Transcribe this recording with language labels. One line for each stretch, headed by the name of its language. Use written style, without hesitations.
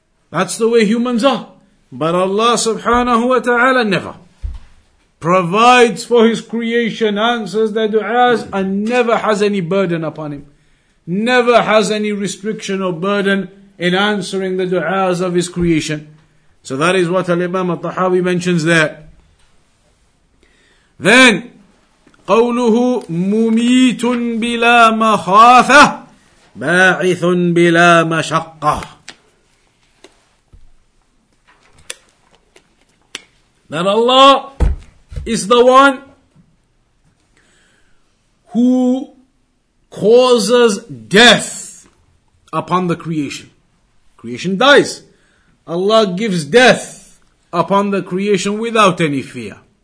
English: That's the way humans are. But Allah subhanahu wa ta'ala never provides for His creation, answers their du'as, and never has any burden upon Him. Never has any restriction or burden in answering the du'as of His creation. So that is what Al-Imam Al-Tahawi mentions there. Then,
Arabic: قوله مميت بلا مخافة باعث بلا مشقة.
English: That Allah is the one who causes death upon the creation. Creation dies. Allah gives death upon the creation without any fear.